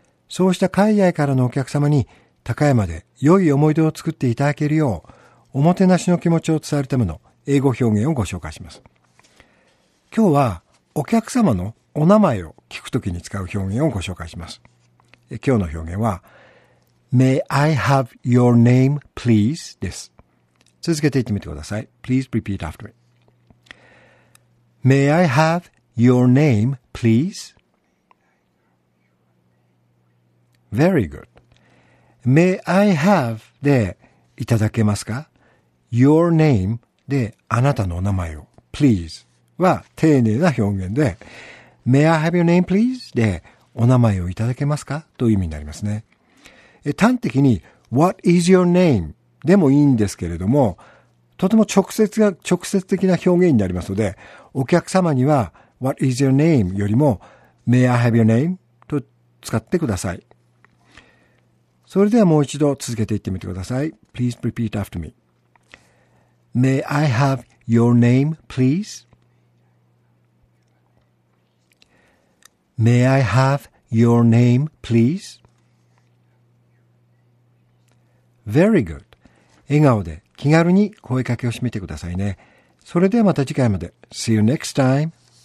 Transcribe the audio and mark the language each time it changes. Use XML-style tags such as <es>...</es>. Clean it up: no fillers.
<ja>そうした海外からのお客様に高山で良い思い出を作っていただけるよう、おもてなしの気持ちを伝えるための英語表現をご紹介します。今日はお客様のお名前を聞くときに使う表現をご紹介します。今日の表現は、</ja> <en>May I have your name, please?</en> <ja>です。続けて言ってみてください。</ja> <en>Please repeat after me. May I have your name, please? Very good. May I have</en> <ja>でいただけますか?</ja> <en>Your name</en> <ja>であなたのお名前を</ja> <en>please</en> <ja>は丁寧な表現で</ja> <en>May I have your name, please?</en> <ja>でお名前をいただけますか?という意味になりますね。端的に</ja> <en>What is your name?</en> <ja>でもいいんですけれども、とても直接的な表現になりますので、お客様には</ja> <en>What is your name?</en> <ja>よりも</ja> <en>May I have your name?</en> <ja>と使ってください。それではもう一度続けていってみてください。</ja> <en>Please repeat after me. May I have your name, please? May I have your name, please? Very good.</en> <ja>笑顔で気軽に声かけをしてみてくださいね。それではまた次回まで。</ja> <en>See you next time.</en>